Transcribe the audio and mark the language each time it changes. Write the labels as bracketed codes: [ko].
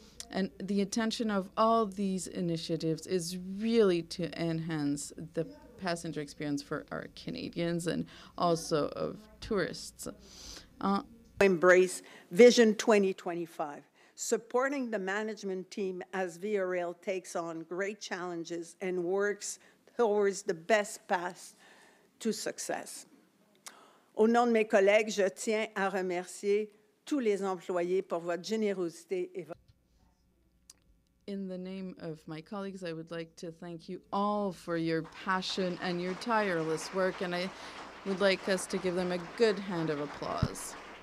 [en] And the attention of all these initiatives is really to enhance the passenger experience for our Canadians and also of tourists. Embrace Vision 2025. Supporting the management team as Via Rail takes on great challenges and works towards the best path to success. [fr] Au nom de mes collègues, je tiens à remercier tous les employés pour votre générosité et votre. [en] In the name of my colleagues, I would like to thank you all for your passion and your tireless work, and I would like us to give them a good hand of applause.